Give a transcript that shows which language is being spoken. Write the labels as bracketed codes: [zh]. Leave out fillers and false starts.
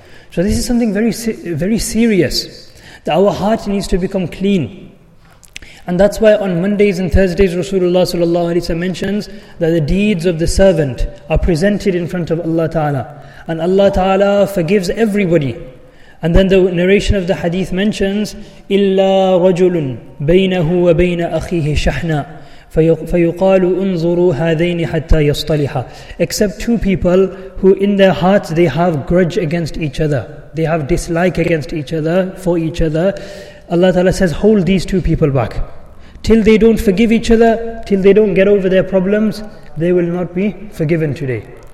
[en] So this is something very, very serious, that our heart needs to become clean. And that's why on Mondays and Thursdays, Rasulullah sallallahu alaihi wasallam mentions that the deeds of the servant are presented in front of Allah Ta'ala, and Allah Ta'ala forgives everybody. And then the narration of the hadith mentions, [ar] إِلَّا رَجُلٌ بَيْنَهُ وَبَيْنَ أَخِيهِ شَحْنًا فَيُقَالُ أُنظُرُوا هَذَيْنِ حَتَّى يَصْطَلِحَا. [en] Except two people who in their hearts they have grudge against each other. They have dislike against each other, for each other. Allah Ta'ala says, hold these two people back. Till they don't forgive each other, till they don't get over their problems, they will not be forgiven today.